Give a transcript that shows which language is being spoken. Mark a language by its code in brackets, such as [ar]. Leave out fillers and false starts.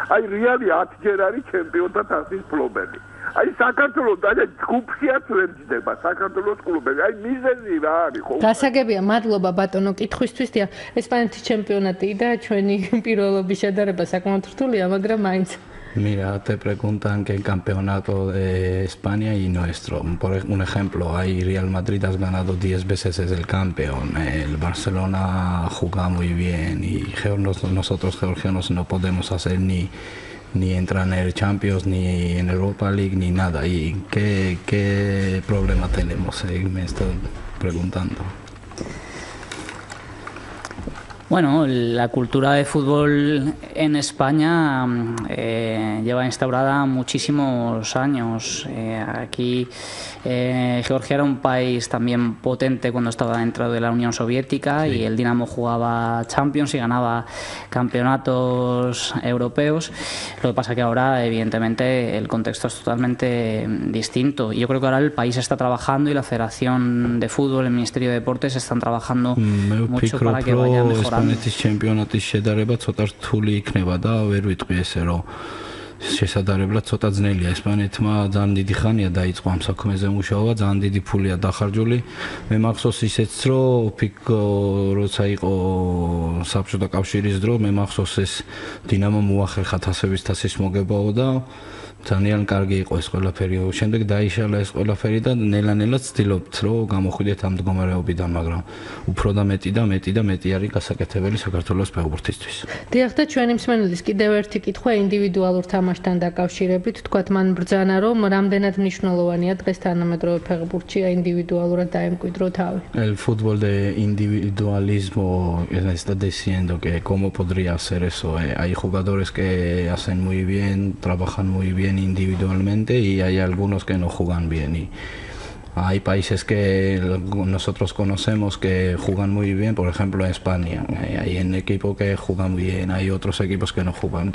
[ka] აი რეალი 10 ჯერ არის ჩემპიონთა თასის მფლობელი. აი საქართველოს და ჯგუფშიაც ვერ ჯდება საქართველოს კლუბები. აი მიზეზი რა არის ხო? გასაგებია, მადლობა ბატონო კითხვისთვის. ესპანეთის ჩემპიონატი და ჩვენი პირველობის შედარება საკმაოდ რთულია, მაგრამ მაინც. [es] Mira, te preguntan qué campeonato de España y nuestro. Por un ejemplo, ahí Real Madrid has ganado 10 veces, es el campeón. El Barcelona juega muy bien y nosotros georgianos no podemos hacer ni entrar en el Champions, ni en Europa League, ni nada. ¿Y qué problema tenemos? Me estoy preguntando. Bueno, la cultura de fútbol en España lleva instaurada muchísimos años. Aquí Georgia era un país también potente cuando estaba dentro de la Unión Soviética, sí. Y el Dinamo jugaba Champions y ganaba campeonatos europeos. Lo que pasa es que ahora, evidentemente, el contexto es totalmente distinto. Y yo creo que ahora el país está trabajando y la Federación de Fútbol, el Ministerio de Deportes están trabajando mucho para que vaya mejorando. [ka] Ესპანეთის ჩემპიონატის შედარება ცოტა რთული იქნება და ვერ ვიტყვი ესე რომ შესადარებლად ცოტა ძნელია. ესპანეთმა ძალიან დიდი ხანია დაიწყო ამ საქმეზე მუშაობა, ძალიან დიდი ფულია დახარჯული. მე მახსოვს ისეც, რომ როცა იყო საბჭოთა კავშირის დრო, მე მახსოვს ეს დინამო მოახერხა თასების თასის მოგებაო და ძალიან კარგი იყო ეს ყველაფერი. შემდეგ დაიშალა ეს ყველაფერი და ნელა-ნელა ცდილობთ, რომ გამოხვიდეთ ამ მდგომარეობიდან, მაგრამ უფრო და მეტი და მეტი და მეტი არის გასაკეთებელი საქართველოს ფეხბურთისთვის. დიახ, და ჩვენი მსმენელის კიდევ ერთი კითხვა ინდივიდუალურ თამაშთან დაკავშირებით. თქვათ, მან ბრძანა, რომ რამდენად მნიშვნელოვანია დღეს თანამედროვე ფეხბურთში ინდივიდუალურად დაემკვიდრო თავი. [es] El fútbol de individualismo está diciendo que cómo podría ser eso. Hay jugadores que hacen muy bien, trabajan muy bien individualmente y hay algunos que no juegan bien y hay países que nosotros conocemos que juegan muy bien, por ejemplo España, hay un equipo que juegan bien, hay otros equipos que no juegan.